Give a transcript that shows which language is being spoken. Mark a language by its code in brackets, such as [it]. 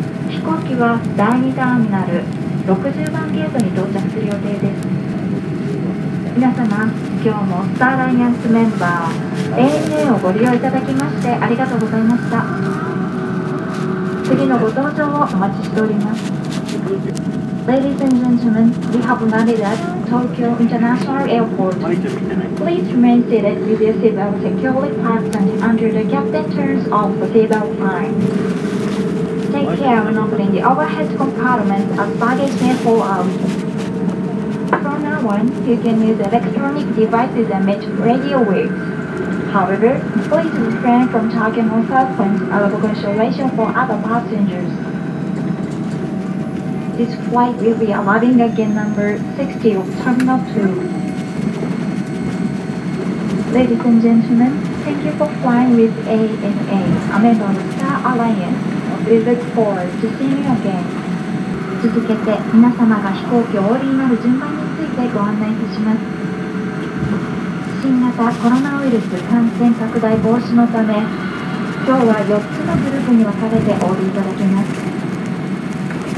[ja] 飛行機は第2ターミナル60番ゲートに到着する予定です。皆様、今日もスターライアンスメンバー ANA をご利用いただきましてありがとうございました。次のご搭乗をお待ちしております。 [en] Ladies and gentlemen, we have landed at Tokyo International Airport. Please remain seated with your seatbelt securely fastened under the captain turns off the seatbelt sign. Take care when opening the overhead compartment as baggage may fall out. From now on, you can use electronic devices amid radio waves. However, please refrain from talking on cell phones out of consideration for other passengers. This flight will be arriving at gate number 60 of Terminal 2. Ladies and gentlemen, thank you for flying with ANA, a member of Star Alliance. We look forward to seeing you again. [ja] 続けて皆様が飛行機を降りになる順番についてご案内いたします。新型コロナウイルス感染拡大防止のため今日は4つのグループに分かれてお降りいただきます。